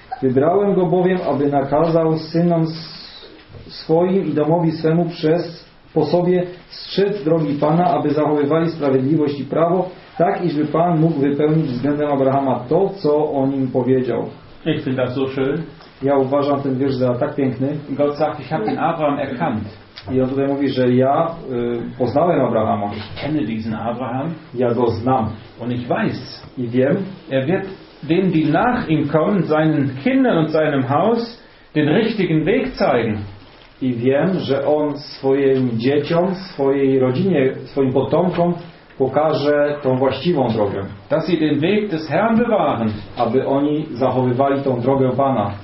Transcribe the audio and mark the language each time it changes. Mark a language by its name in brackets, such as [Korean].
[Polish] Wybrałem go bowiem, aby nakazał synom swoim i domowi swemu przez po sobie strzec drogi Pana, aby zachowywali sprawiedliwość i prawo, tak, iżby Pan mógł wypełnić względem Abrahama to, co o nim powiedział. [German] Ich finde das so schön. [Polish] Ja uważam ten wiersz za tak piękny. [German] Gott sagt, ich habe den Abraham erkannt. [Polish] I on tutaj mówi, że ja poznałem Abrahama. [German] Ich kenne diesen Abraham. [Polish] Ja go znam. [German] Und ich weiß. [Polish] I wiem. [German] Er wird denen, die nach ihm kommen, seinen Kindern und seinem Haus, den richtigen Weg zeigen. [Polish] I wiem, że on swoim dzieciom, swojej rodzinie, swoim potomkom pokaże tą właściwą drogę. [German] Dass sie den Weg des Herrn bewahren. [Polish] Aby oni zachowywali tą drogę Pana.